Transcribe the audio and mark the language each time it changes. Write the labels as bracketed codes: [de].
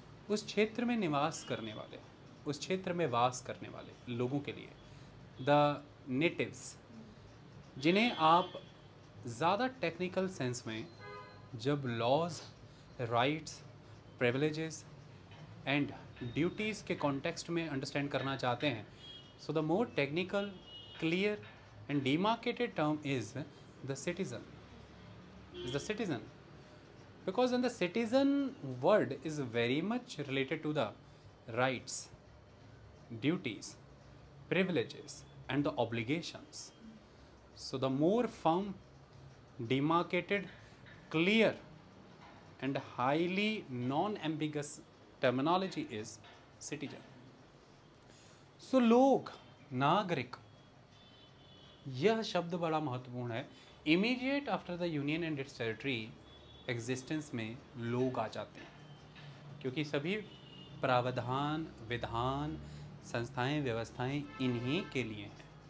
[hi] उस क्षेत्र में निवास करने वाले, उस क्षेत्र में वास करने वाले लोगों के लिए, द नेटिव्स, जिन्हें आप ज़्यादा टेक्निकल सेंस में जब laws, rights, privileges and duties के कॉन्टेक्स्ट में अंडरस्टैंड करना चाहते हैं, [en] So the more technical clear and demarcated term is the citizen. Because in the citizen world is very much related to the rights duties privileges and the obligations. So the more firm, demarcated, clear and highly non-ambiguous terminology is citizen. [hi] So लोग, नागरिक, यह शब्द बड़ा महत्वपूर्ण है. [en] Immediate after the union and its territory existence [hi] में लोग आ जाते हैं, क्योंकि सभी प्रावधान, विधान, संस्थाएं, व्यवस्थाएं इन्हीं के लिए हैं.